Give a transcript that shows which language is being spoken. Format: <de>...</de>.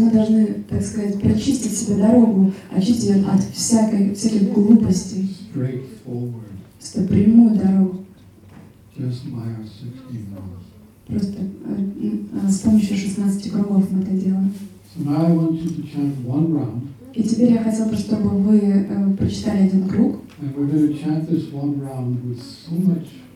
<ru>мы должны, так сказать, прочистить себе дорогу, очистить ее от всяких глупостей. Просто прямую дорогу.</ru> <en>Just by our 16 rounds.</en> <ru>Просто с помощью 16 кругов мы это делаем.</ru> <en>So now I want you to chant one round.</en> <ru>И теперь я хотел бы, чтобы вы прочитали один круг.</ru> <en>And we're going to chant this one round with so much.</en>